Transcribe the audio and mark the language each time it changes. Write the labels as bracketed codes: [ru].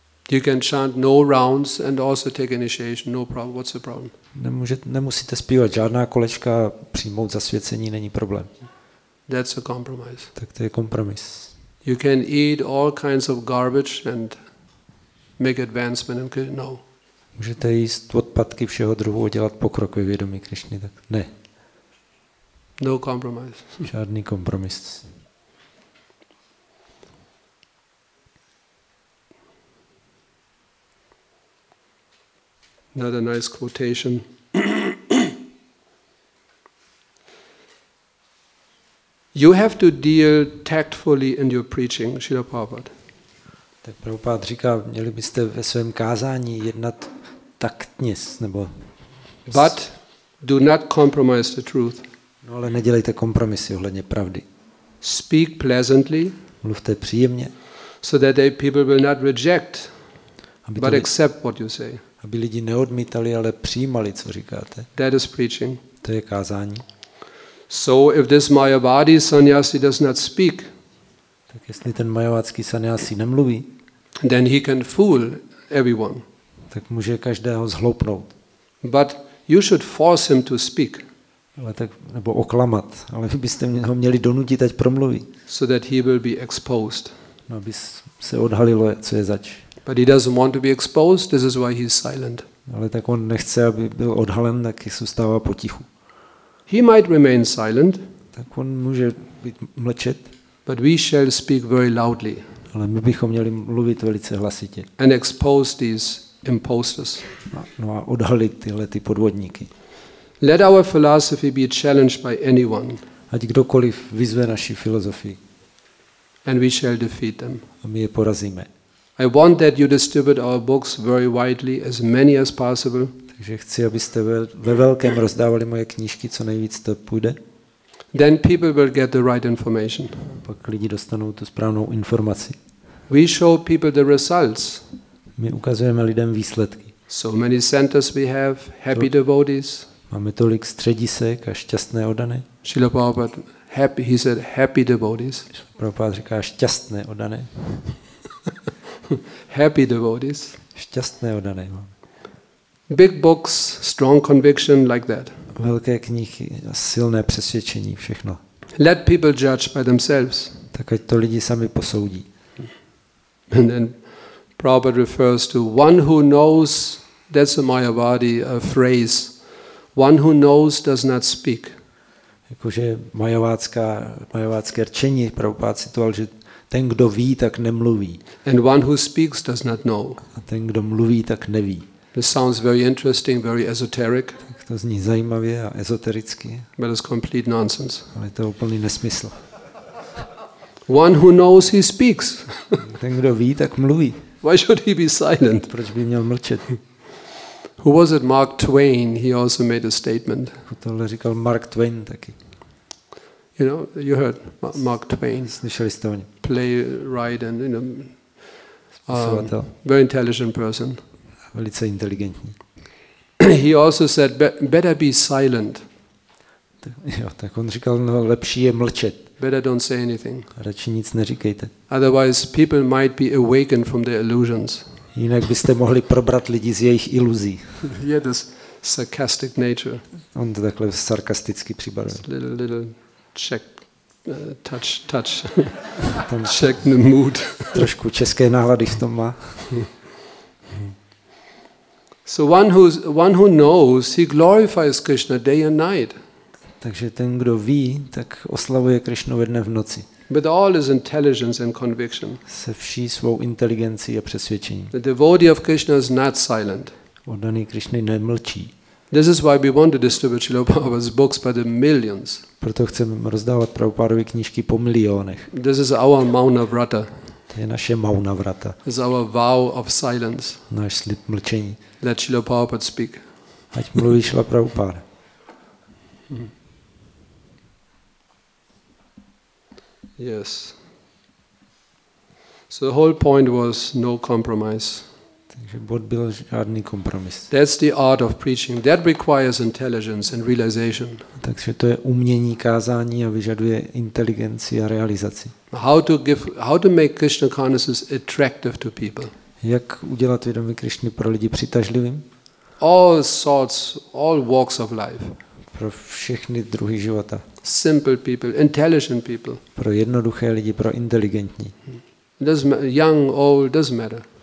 [en] You can chant no rounds and also take initiation. No problem. What's the problem? [cs] Nemusíte zpívat žádná kolečka, přijmout zasvěcení není problém. [en] That's a compromise. [cs] Tak to je kompromis. [en] You can eat all kinds of garbage and make advancement in Krishna. No. [cs] Můžete jíst odpadky všeho druhu a dělat pokrok ve vědomí Krišny, tak ne. [en] No compromise. [cs] Žádný kompromis. [en] Another nice quotation. You have to deal tactfully in your preaching, Srila Prabhupada. [cs] Tak Prabhupada říká, měli byste ve svém kázání jednat taktně, nebo... [en] But do not compromise the truth. [cs] No, ale nedělejte kompromisy ohledně pravdy. [en] Speak pleasantly. [cs] Mluvte příjemně. [en] So that the people will not reject, but accept what you say. [cs] Aby lidi neodmítali, ale přijímali, co říkáte. [en] That is preaching. [cs] To je kázání. [en] So if this Mayavadi sannyasi does not speak, [cs] tak jestli ten mayavadský sannyasi nemluví, [en] then he can fool everyone. [cs] Tak může každého zhloupnout. [en] But you should force him to speak. [cs] Ale tak, nebo oklamat, ale vy byste ho měli donutit, ať promluví. [en] So that he will be exposed. [cs] No, aby se odhalilo, co je zač. [en] But he doesn't want to be exposed, this is why he's silent. [cs] Ale tak on nechce, aby byl odhalen, tak zůstává potichu. [en] He might remain silent. [cs] Tak on může být mlčet. [en] But we shall speak very loudly. [cs] Ale my bychom měli mluvit velice hlasitě. [en] And expose these imposters. [cs] No a odhalit tyhle ty podvodníky. [en] Let our philosophy be challenged by anyone. [cs] Ať kdokoliv vyzve naši filozofii. [en] And we shall defeat them. [cs] A my je porazíme. [en] I want that you distribute our books very widely, as many as possible. [cs] Takže chci, abyste ve velkém rozdávali moje knížky, co nejvíc to půjde. [en] Then people will get the right information. [cs] Pak lidi dostanou tu správnou informaci. [en] We show people the results. [cs] My ukazujeme lidem výsledky. [en] So many centers we have, happy devotees. [cs] Máme tolik středisek a šťastné oddané. [en] Srila Prabhupada, happy, he said happy devotees. [cs] Srila Prabhupada říká šťastné oddané. [en] Happy devotees. [cs] Šťastné oddané máme. [en] Big books, strong conviction like that. [cs] Velké knihy, silné přesvědčení, všechno. [en] Let people judge by themselves. [cs] Tak ať to lidi sami posoudí. [en] And then Prabhupada refers to one who knows, that's a Mayavadi a phrase, one who knows does not speak. [cs] Jakože mayavácké rčení, Prabhupád citoval, že ten, kdo ví, tak nemluví. [en] And one who speaks does not know. [cs] A ten, kdo mluví, tak neví. [en] This sounds very interesting, very esoteric. [cs] Tak to zní zajímavě a ezotericky. [en] But it's complete nonsense. [cs] Ale to je úplný nesmysl. [en] One who knows, he speaks. [cs] Ten, kdo ví, tak mluví. [en] Why should he be silent? [cs] Proč by měl mlčet? [en] Who was it? Mark Twain. He also made a statement. [cs] Tohle říkal Mark Twain taky. [en] You know, you heard Mark Twain. [cs] Slyšeli jste o něm. [en] Playwright and, you know, very intelligent person. [cs] Velice inteligentní. [en] He also said, better be silent. [cs] Tak on říkal, no, lepší je mlčet. [en] Better don't say anything. [cs] Radši nic neříkejte. [en] Otherwise people might be awakened from their illusions. [cs] Jinak byste mohli probrat lidi z jejich iluzí. [en] He had this sarcastic nature. [cs] On to takhle sarkasticky přibaril. [en] Little check, touch. Tam check the mood. [cs] Trošku české nálady v tom má. [en] So one who knows, he glorifies Krishna day and night. [cs] Takže ten, kdo ví, tak oslavuje Krishnu ve dne v noci. [en] With all his intelligence and conviction. [cs] Se vší svou inteligencí a přesvědčením. [en] The devotee of Krishna is not silent. [cs] Oddaný Krishna nemlčí. [en] This is why we want to distribute Srila Prabhupada's books by the millions. [cs] Proto chceme rozdávat Prabhupádovy knížky po milionech. [en] This is our Mauna Vrata. [cs] To je naše Mauna Vrata. [en] This is our vow of silence. [cs] Náš slib mlčení. [en] Let Srila Prabhupada speak. [cs] Ať mluví Srila Prabhupada. [en] Yes. So the whole point was no compromise. [cs] Takže bod byl žádný kompromis. [en] That's the art of preaching. That requires intelligence and realization. [cs] Takže to je umění kázání a vyžaduje inteligenci a realizaci. [en] How to make Krishna consciousness attractive to people? [cs] Jak udělat vědomí Krishny pro lidi přitažlivým? [en] All sorts, all walks of life. [cs] Pro všechny druhy života. [en] Simple people, intelligent people. [cs] Pro jednoduché lidi, pro inteligentní. [en] Young, old, doesn't matter.